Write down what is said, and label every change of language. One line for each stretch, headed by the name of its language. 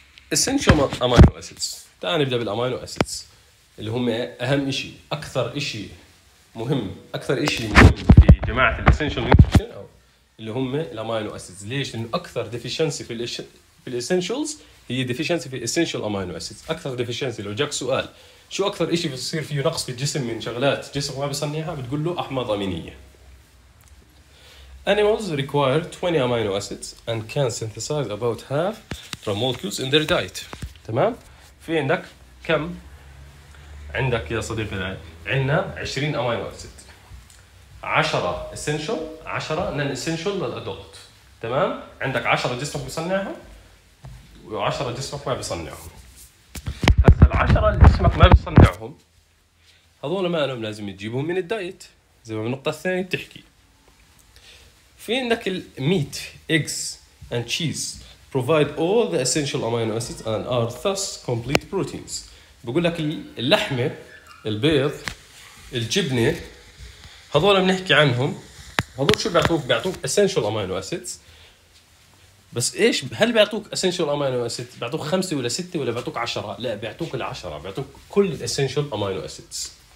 English: essential amino acids،
Arabic: تعال نبدأ بالأمينو acids اللي هم أهم إشي، أكثر إشي مهم، أكثر إشي مهم في جماعة essential nutrition اللي هم الامينو اسيدز. ليش؟ لانه اكثر ديفيشنسي في الاسينشلز هي ديفيشنسي في الاسينشال امينو اسيدز. اكثر ديفيشنسي، لو جاك سؤال شو اكثر شيء بيصير فيه نقص في الجسم من شغلات جسم ما بيصنعها، بتقول له احماض امينيه.
English: Animals require 20 amino acids and can synthesize about half from molecules in their diet.
Arabic: تمام؟ في عندك كم؟ عندك يا صديقي عندنا 20 امينو اسيد، 10 essential 10 non essential للأدولت، تمام؟ عندك 10 جسمك بيصنعهم و10 جسمك ما بيصنعهم. هسه ال10 جسمك ما بيصنعهم هذول ما لهم لازم تجيبهم من الدايت زي ما النقطة الثانية بتحكي. في عندك الميت
English: eggs and cheese provide all the essential amino acids and are thus complete proteins.
Arabic: بقول لك اللحمة، البيض، الجبنة، هذول بنحكي عنهم هذول شو بيعطوك؟ بيعطوك essential amino acids. بس إيش؟ هل بيعطوك essential amino acids؟ بيعطوك 5 ولا 6 ولا بيعطوك 10؟ لا، بيعطوك 10، بيعطوك كل essential amino acids.